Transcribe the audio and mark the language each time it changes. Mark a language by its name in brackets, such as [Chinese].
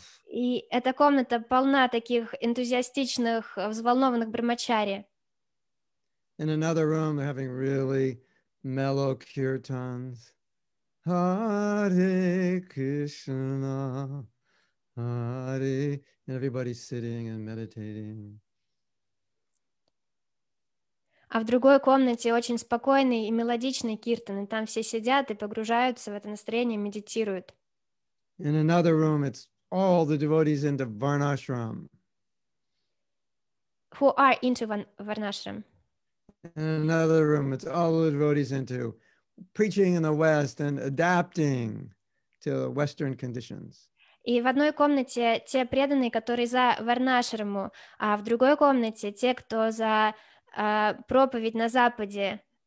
[Russian] И эта комната полна таких энтузиастичных, взволнованных брахмачари. [English] In another room, they're having really mellow kirtans. Hare Krishna. And everybody's sitting and meditating. [Russian] А в другой комнате очень спокойный и мелодичный киртан, и там все сидят и погружаются в это настроение, медитируют. [English] In another room, it's all the devotees into Varnashram. Who are into Varnashram? In another room, it's all the devotees into preaching in the West and adapting to Western conditions. [Russian] И в одной комнате те преданные, которые за Варнашраму, а в другой комнате те, кто за проповедь на Западе.